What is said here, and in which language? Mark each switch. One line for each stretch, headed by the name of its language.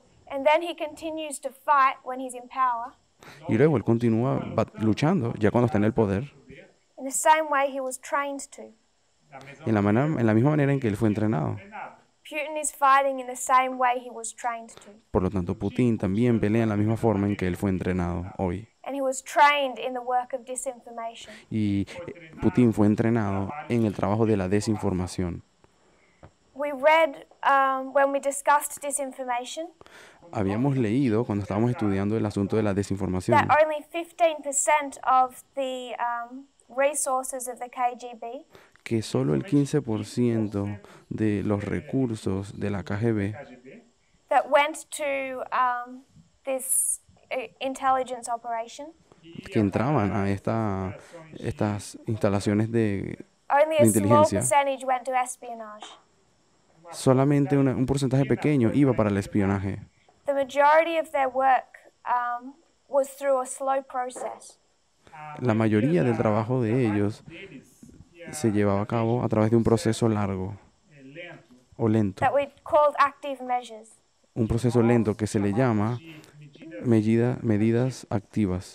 English: And then he continues to fight when he's in power.
Spanish: Y luego él continúa luchando ya cuando está en el poder.
English: In the same way he was trained to.
Spanish: En la misma manera en que él fue entrenado.
English: Putin is fighting in the same way he was trained to.
Spanish: Por lo tanto, Putin también pelea en la misma forma en que él fue entrenado hoy.
English: And he was trained in the work of disinformation.
Spanish: Y Putin fue entrenado en el trabajo de la desinformación.
English: We read when we discussed disinformation.
Spanish: Habíamos leído cuando estábamos estudiando el asunto de la desinformación.
English: That only 15% of the resources of the KGB.
Spanish: Que solo el 15% de los recursos de la KGB.
English: That went to this. Intelligence operation.
Spanish: Que entraban a estas instalaciones de inteligencia.
English: Only a small percentage went to espionage.
Spanish: Solamente un porcentaje pequeño iba para el espionaje.
English: The majority of their work was through a slow process.
Spanish: La mayoría del trabajo de ellos se llevaba a cabo a través de un proceso largo o lento.
English: That we called active measures.
Spanish: Un proceso lento que se le llama medidas activas.